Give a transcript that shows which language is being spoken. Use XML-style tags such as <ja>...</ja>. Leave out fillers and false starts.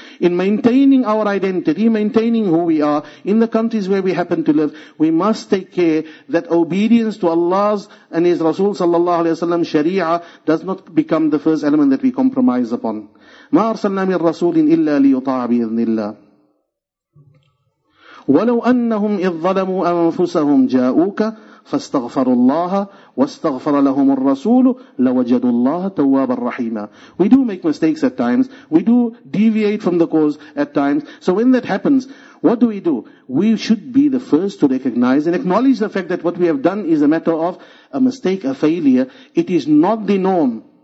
<en>In maintaining our identity, maintaining who we are, in the countries where we happen to live, we must take care that obedience to Allah's and His Rasul sallallahu alayhi wa sallam sharia does not become the first element that we compromise upon.</en> <ar>مَا أَرْسَلْنَا مِن رَسُولٍ إِلَّا لِيُطَاعَ بِإِذْنِ اللَّهِ. وَلَوْ أَنَّهُمْ إِذْ ظَلَمُوا أَنفُسَهُمْ جَاءُوكَ فاستغفر الله واستغفر لهم الرسول لوجد الله توابا رحيما.</ar> <en>We do make mistakes at times. We do deviate from the course at times. So when that happens, what do we do? We should be the first to recognize and acknowledge the fact that what we have done is a matter of a mistake, a failure. It is not the norm.</en>